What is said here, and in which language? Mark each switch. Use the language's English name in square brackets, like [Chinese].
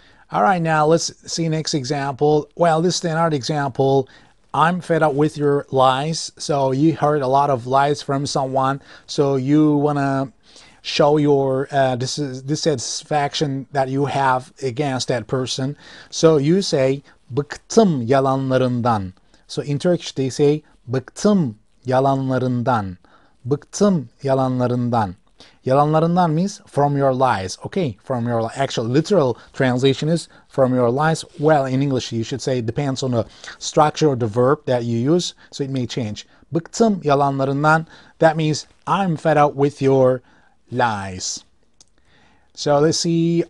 [English] All right, now let's see next example. Well, this standard example. I'm fed up with your lies. So you heard a lot of lies from someone. So you wanna show your dissatisfaction that you have against that person. So you say [Turkish] bıktım yalanlarından. [English] So in Turkish they say [Turkish] bıktım yalanlarından. Bıktım yalanlarından. [English] Yalanlarından means from your lies. Okay, from your actual literal translation is from your lies. Well, in English, you should say it depends on the structure of the verb that you use, so it may change. [Turkish] Bıktım yalanlarından. [English] That means I'm fed up with your lies. So let's see.